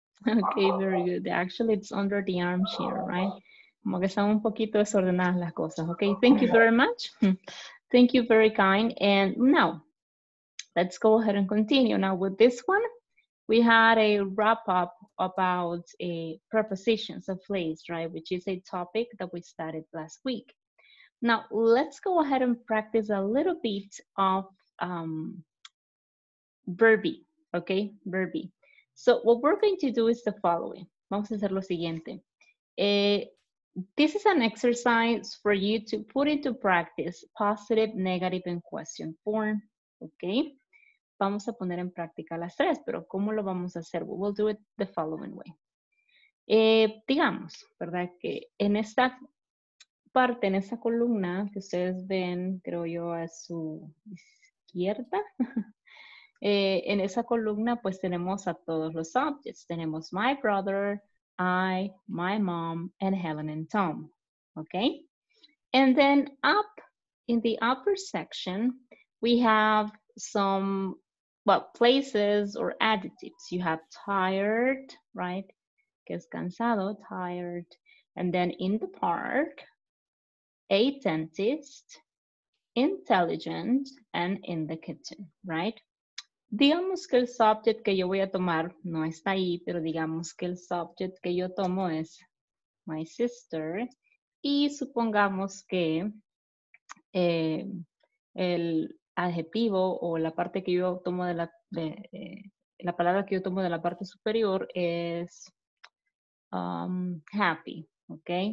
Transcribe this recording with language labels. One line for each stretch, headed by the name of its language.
English: Okay, very good. Actually, it's under the armchair, right?
Spanish: como que están un poquito desordenadas las cosas.
English: Okay, thank you very much. Thank you, very kind. And now, let's go ahead and continue. Now with this one, we had a wrap up about prepositions of place, right? Which is a topic that we started last week. Now, let's go ahead and practice a little bit of verbi, okay? Verbi. So what we're going to do is the following.
Spanish: Vamos a hacer lo siguiente.
English: This is an exercise for you to put into practice positive, negative, and question form, okay?
Spanish: Vamos a poner en práctica las tres, pero ¿cómo lo vamos a hacer?
English: We'll do it the following way.
Spanish: Digamos, ¿verdad? Que en esta parte, en esta columna que ustedes ven, creo yo, a su izquierda, en esa columna pues tenemos a todos los objects.
English: Tenemos my brother, I, my mom, and Helen and Tom, okay? And then up in the upper section, we have some, well, places or adjectives. You have tired, right?
Spanish: Que es cansado,
English: tired. And then in the park, a dentist, intelligent, and in the kitchen, right?
Spanish: Digamos que el subject que yo voy a tomar no está ahí, pero digamos que el subject que yo tomo es my sister. Y supongamos que el adjetivo o la parte que yo tomo de la palabra que yo tomo de la parte superior es happy, ¿ok?